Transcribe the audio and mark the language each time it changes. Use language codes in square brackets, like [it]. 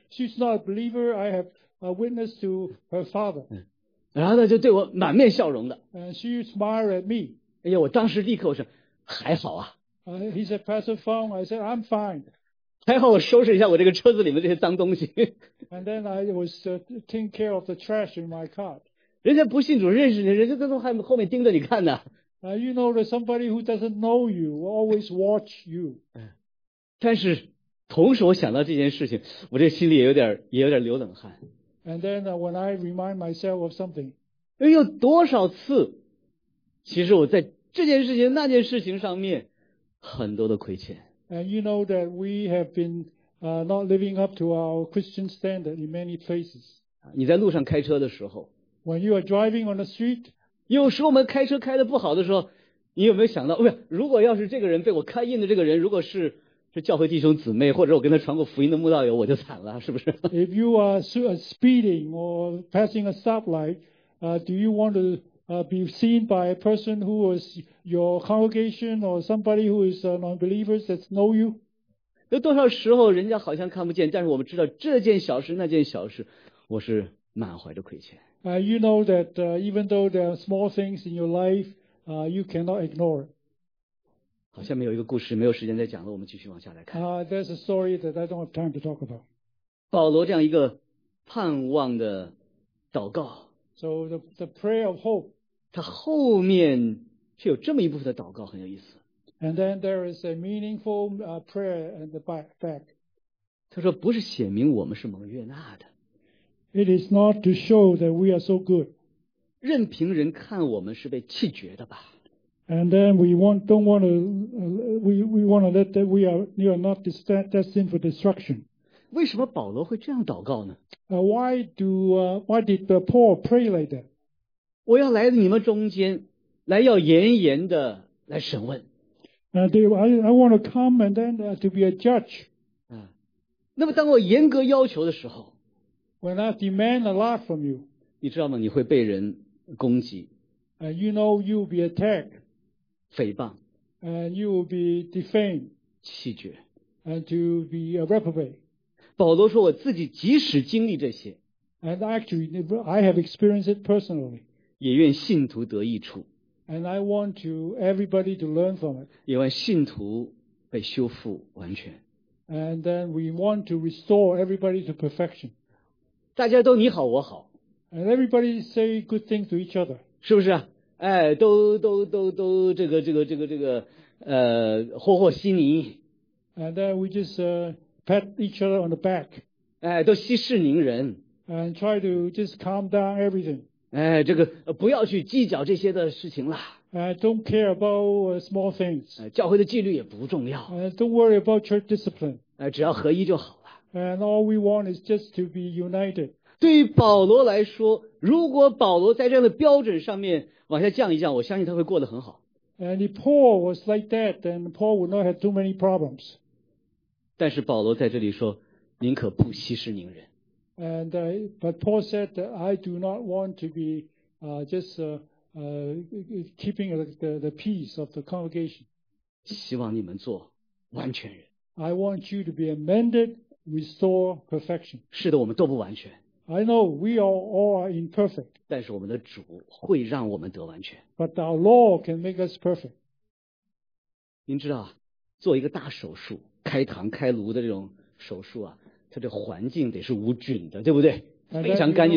[en] She's not a believer. I have a witness to her father. [zh] 然后呢就对我满面笑容的。 [en] And she smiled at me. [zh] 哎呀，我当时立刻我说还好啊。 [en] He said, Pastor Fong, I said, I'm fine. [zh] 还好我收拾一下我这个车子里面这些脏东西。 [en] And then I was taking care of the trash in my car. [zh] 人家不信主认识你，人家都在后面盯着你看呢。 [en] You know that somebody who doesn't know you will always watch you. [zh] 但是同时我想到这件事情，我这心里也有点流冷汗。 [en] And then when I remind myself of something, [zh] 有多少次，其实我在这件事情、那件事情上面很多的亏欠。 [en] And you know that we have been not living up to our Christian standard in many places. [zh] 你在路上开车的时候 [en] ，When you are driving on the street, [zh] 有时候我们开车开的不好的时候，你有没有想到，不是，如果要是这个人被我开印的这个人，如果是教会弟兄姊妹，或者我跟他传过福音的慕道友，我就惨了，是不是 [en] ？If you are speeding or passing a stoplight, do you want to be seen by a person who is your congregation or somebody who is non-believers that know you? [zh] 有多少时候人家好像看不见，但是我们知道这件小事那件小事，我是满怀着亏欠。 [en] You know that even though there are small things in your life, you cannot ignore it. [zh] 好，下面有一个故事没有时间再讲了，我们继续往下来看。 [en] There's a story that I don't have time to talk about. [zh] 保罗这样一个盼望的祷告。 [en] So the prayer of hope. [zh] 他后面却有这么一部分的祷告很有意思。 [en] And then there is a meaningful prayer at the back. [zh] 他说不是显明我们是蒙悦纳的。 [en] It is not to show that we are so good. [zh] 任凭人看我们是被弃绝的吧。 [en] And then we are not destined for destruction. [zh] 为什么保罗会这样祷告呢？ [en] Why did Paul pray like that? [zh] 我要来你们中间，来要严严的来审问。 [en] I want to come and then to be a judge. [zh] 那么当我严格要求的时候， [en] When I demand a lot from you, [zh] 你知道吗？你会被人攻击。 [en] You know you will be attacked. [zh] 诽谤 [en] ，and you will be defamed， [zh] 弃绝 [en] ，and to be a reprobate。 [zh] 保罗说：“我自己即使经历这些 [en] ，and actually I have experienced it personally， [zh] 也愿信徒得益处 [en] ，and I want to everybody to learn from it， [zh] 也愿信徒被修复完全 [en] ，and then we want to restore everybody to perfection。 [zh] 大家都你好我好 [en] And everybody say good things to each other. [zh] 是不是啊？哎，都这个和和稀泥。 [en] And then we just pat each other on the back. [zh] 哎，都息事宁人。 [en] And try to just calm down everything. [zh] 哎，这个不要去计较这些的事情了。 [en] Don't care about small things. [zh] 教会的纪律也不重要。 [en] Don't worry about church discipline. [zh] 只要合一就好了。 [en] And all we want is just to be united. [zh] 对于保罗来说，如果保罗在这样的标准上面往下降一降，我相信他会过得很好。 [en] And if Paul was like that, then Paul would not have too many problems. [zh] 但是保罗在这里说，宁可不息事宁人。 [en] And but Paul said that I do not want to be keeping the peace of the congregation. [zh] 希望你们做完全人。 [en] I want you to be amended, restore perfection. [zh] 是的，我们都不完全。 [en] I know we are all imperfect. [zh] 但是我们的主会让我们得完全。 [en] But our Lord can make us perfect. [zh] 您知道，做一个大手术，开膛开颅的这种手术啊，它的环境得是无菌的，对不对？非常干净的，